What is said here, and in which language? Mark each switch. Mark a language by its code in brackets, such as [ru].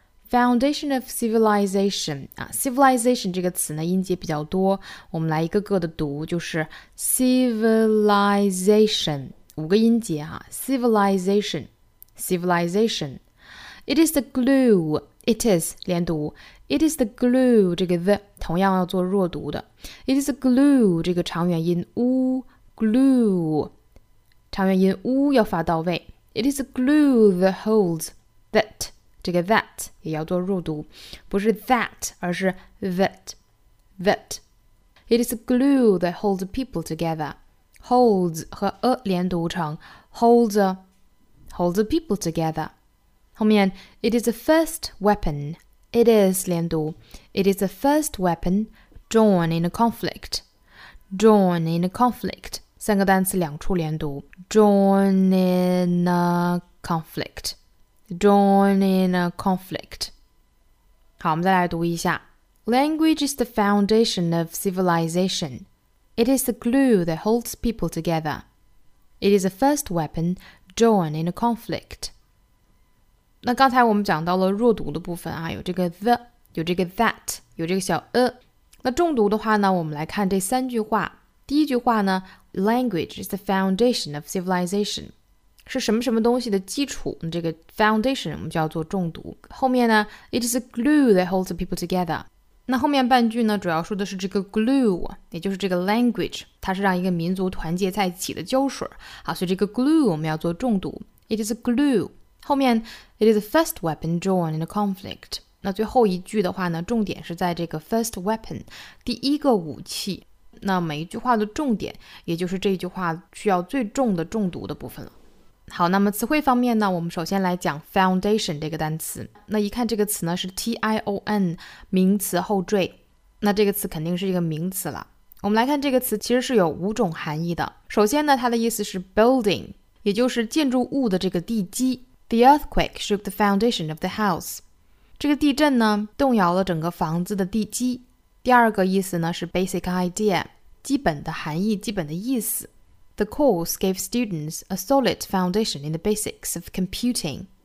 [en] Foundation of civilization. [zh] 啊 ，civilization 这个词呢音节比较多，我们来一个个的读，就是 civilization. 五个音节啊 civilization, civilization. [en] It is the glue, it is, 连读 It is the glue, 这个 the, [zh] 同样要做弱读的 [en] It is the glue, 这个长元音 u, glue, 长元音 u [zh] 要发到位 [en] It is the glue that holds that, 这个 that 也要做弱读不是 that, 而是 that, that. It is the glue that holds people togetherholds 和 a [zh] 连读成 [en] holds the people together 后面 it is the first weapon it is [zh] 连读 [en] it is the first weapon drawn in a conflict drawn in a conflict [zh] 三个单词两处连读 [en] drawn in a conflict drawn in a conflict [zh] 好我们再来读一下 [en] language is the foundation of civilizationIt is the glue that holds people together. It is the first weapon drawn in a conflict. [zh] 那刚才我们讲到了弱读的部分啊，有这个 the, 有这个 that, 有这个小 a。那重读的话呢，我们来看这三句话。第一句话呢 ， [en] language is the foundation of civilization, [zh] 是什么什么东西的基础。这个 foundation 我们叫做重读。 [en] 后面呢 ，it is the glue that holds people together. [zh] 那后面半句呢主要说的是这个 glue 也就是这个 language 它是让一个民族团结在一起的胶水好所以这个 glue 我们要做重读 [en] It is a glue 后面 It is the first weapon drawn in a conflict [zh] 那最后一句的话呢重点是在这个 first weapon 第一个武器那每一句话的重点也就是这一句话需要最重的重读的部分了好那么词汇方面呢我们首先来讲 foundation 这个单词那一看这个词呢是 T-I-O-N 名词后缀那这个词肯定是一个名词了我们来看这个词其实是有五种含义的首先呢它的意思是 building 也就是建筑物的这个地基 [en] The earthquake shook the foundation of the house [zh] 这个地震呢动摇了整个房子的地基第二个意思呢是 [en] basic idea [zh] 基本的含义基本的意思 [en] The course gave students a solid foundation in the basics of computing.